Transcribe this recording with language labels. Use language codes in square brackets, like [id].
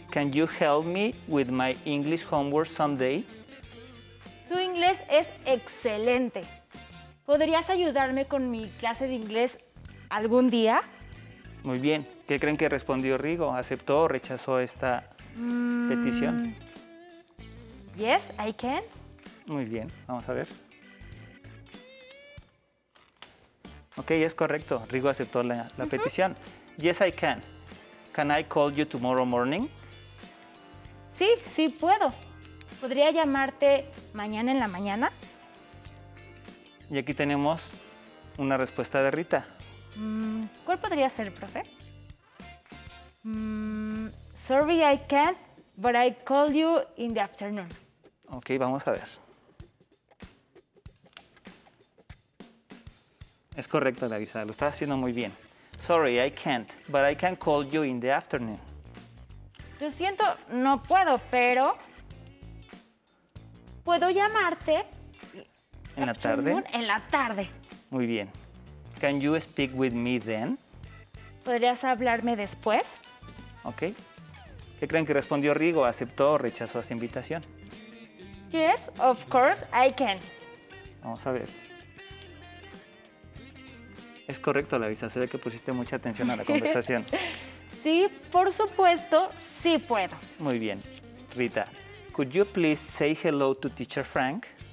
[en] Can you help me with my English homework someday? [es] Tu inglés es excelente. ¿Podrías ayudarme con mi clase de inglés algún día? Muy bien. ¿Qué creen que respondió Rigo? ¿Aceptó o rechazó esta petición? [en] Yes, I can. [es] Muy bien. Vamos a ver. Ok, es correcto. Rigo aceptó la petición. [en] Yes, I can. Can I call you tomorrow morning? [es] Sí, sí puedo. ¿Podría llamarte mañana en la mañana? Y aquí tenemos una respuesta de Rita. ¿Cuál podría ser, profe? [en] Sorry, I can't, but I call you in the afternoon. [es] Ok, vamos a ver. Es correcto, Larisa, lo estás haciendo muy bien. [en] Sorry, I can't, but I can call you in the afternoon. [es] Lo siento, no puedo, pero puedo llamarte en la tarde. En la tarde. Muy bien. [en] Can you speak with me then? [es] ¿Podrías hablarme después? Ok. ¿Qué creen que respondió Rigo? ¿Aceptó o rechazó esta invitación? [en] Yes, of course, I can. [es] Vamos a ver. Es correcto, Larisa. Se ve que pusiste mucha atención a la conversación. Sí, por supuesto, sí puedo. Muy bien. [en] Rita, could you please say hello to teacher Frank?